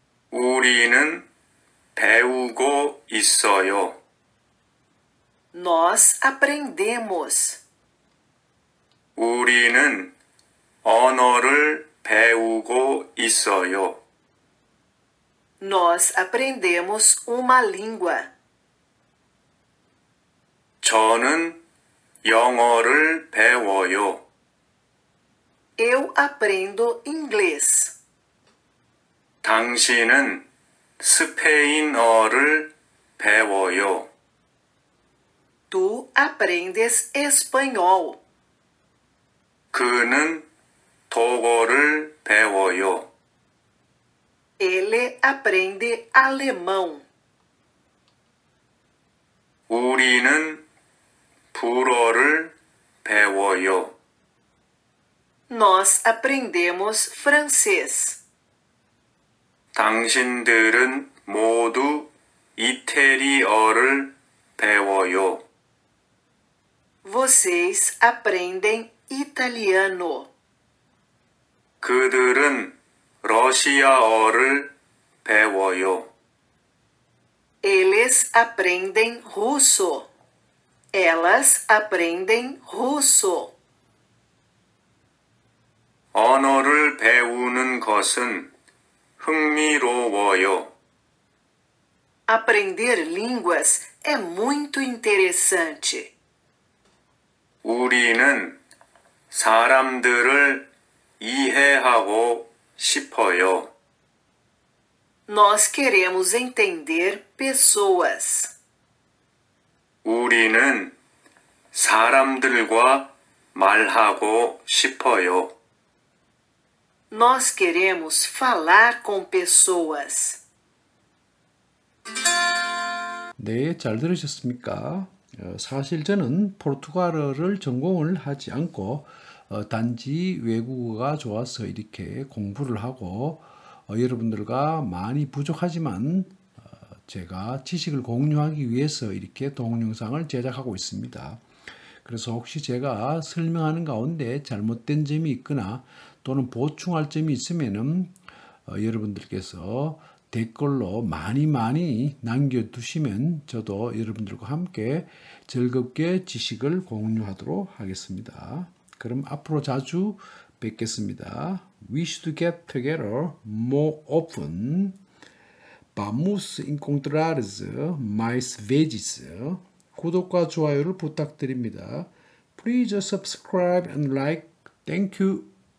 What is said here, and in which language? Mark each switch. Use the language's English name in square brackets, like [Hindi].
[Korean] 우리는 배우고 있어요. [Portuguese] Nós aprendemos. [Korean] 우리는 언어를 배우고 있어요. [Portuguese] Nós aprendemos uma língua. [Korean] 저는 영어를 배워요. [Portuguese] Eu aprendo inglês. [Korean] 당신은 스페인어를 배워요. [Portuguese] Tu aprendes espanhol. [Korean] 그는 독어를 배워요. [Portuguese] Ele aprende alemão. [Korean] 우리는 불어를 배워요. [Portuguese] Nós aprendemos francês. [Korean] 당신들은 모두 이태리어를 배워요. [Portuguese] Vocês aprendem italiano. [Korean] 그들은 러시아어를 배워요. [Portuguese] Eles aprendem russo. Elas aprendem russo. [Korean] 언어를 배우는 것은 흥미로워요. [Portuguese] Aprender línguas é muito interessante. [Korean] 우리는 사람들을 이해하고 싶어요. [Portuguese] Nós queremos entender pessoas. [Korean] 우리는 사람들과 말하고 싶어요. [Portuguese] Nós queremos falar com pessoas. [Korean] 네, 잘 들으셨습니까? 사실 저는 포르투갈어를 전공을 하지 않고 단지 외국어가 좋아서 이렇게 공부를 하고 여러분들과 많이 부족하지만 제가 지식을 공유하기 위해서 이렇게 동영상을 제작하고 있습니다. 그래서 혹시 제가 설명하는 가운데 잘못된 점이 있거나 또는 보충할 점이 있으면은 여러분들께서 댓글로 많이 많이 남겨두시면 저도 여러분들과 함께 즐겁게 지식을 공유하도록 하겠습니다. 그럼 앞으로 자주 뵙겠습니다. [English] We should get together more often. [Portuguese] Vamos encontrar mais vezes. [Korean] 구독과 좋아요를 부탁드립니다. [English] Please subscribe and like. Thank you.